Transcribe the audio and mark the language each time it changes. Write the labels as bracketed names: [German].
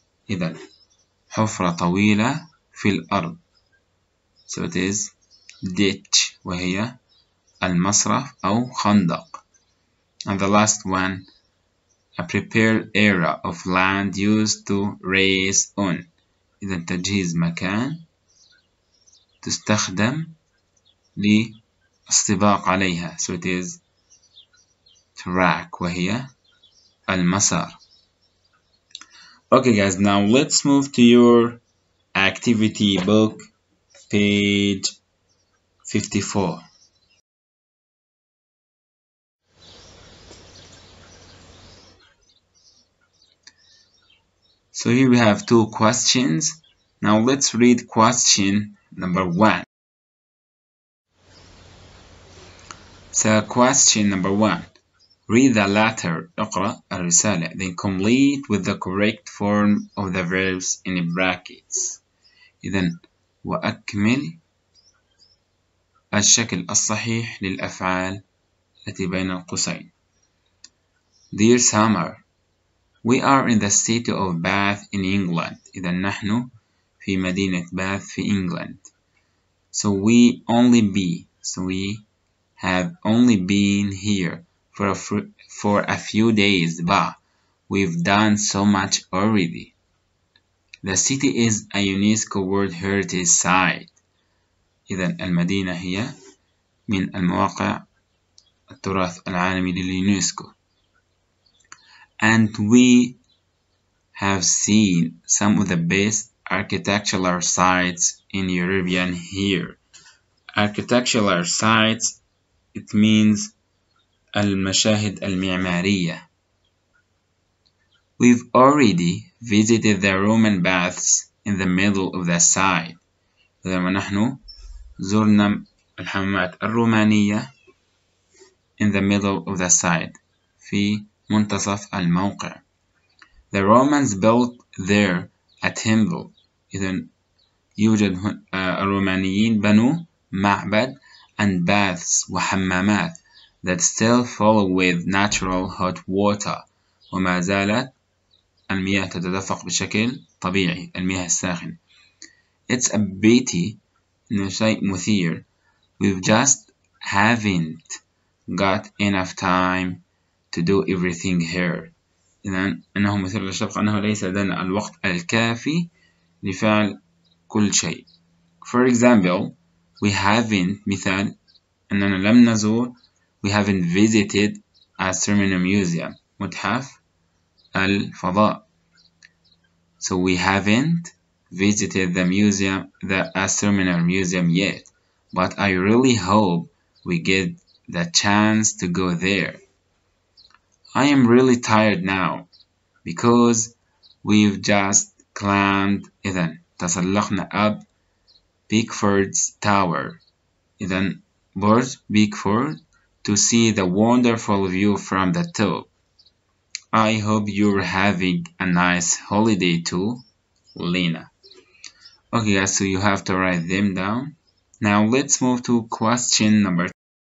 [Arabic] إذن حفرة طويلة في الأرض. [English] So it is ditch. [Arabic] وهي المصرف أو خندق. [English] And the last one. A prepared area of land used to raise on. [Arabic] إذن تجهيز مكان تستخدم للاستباق عليها. [English] So it is track. [Arabic] وهي المسار. [English] Okay guys, now let's move to your activity book, page 54. So here we have two questions. Now let's read question number one. So question number one. Read the letter, [Arabic] اقرأ الرسالة, [English] then complete with the correct form of the verbs in brackets. [Arabic] إذن وأكمل الشكل الصحيح للأفعال التي بين القوسين. [English] Dear Summer, we are in the city of Bath in England. [Arabic] إذن نحن في مدينة Bath في England. [English] So we only be, so we have only been here. For a few days, but we've done so much already. The city is a UNESCO World Heritage Site. [Arabic] إذن المدينة هي من المواقع التراث العالمي لليونسكو. [English] And we have seen some of the best architectural sites in European here. Architectural sites, it means [Arabic] المشاهد المعمارية. [English] We've already visited the Roman baths in the middle of the site. [Arabic] إذا نحن زرنا الحمامات الرومانية [English] in the middle of the site [Arabic] في منتصف الموقع. [English] The Romans built there a temple. [Arabic] إذا يوجد الرومانيين بنوا معبد [English] and baths [Arabic] وحمامات. [English] That still follow with natural hot water. [Arabic] وما زالت المياه تتدفق بشكل طبيعي. المياه الساخن. [English] It's a pity. [Arabic] إنه شيء مثير. [English] We've just haven't got enough time to do everything here. [Arabic] إذن إنه مثير للشفقة أنه ليس لدينا الوقت الكافي لفعل كل شيء. [English] For example, we haven't. [Arabic] مثال أننا لم نزور. [English] We haven't visited Astronomy Museum, [Arabic] متحف الفضاء. [English] So we haven't visited the museum, the Astronomy Museum yet. But I really hope we get the chance to go there. I am really tired now because we've just climbed, [Arabic] إذن تسلقنا [English] up Bickford's Tower. [Arabic] إذن برج Bickford. [English] To see the wonderful view from the top. I hope you're having a nice holiday too, Lena. Okay guys, so you have to write them down. Now let's move to question number 2.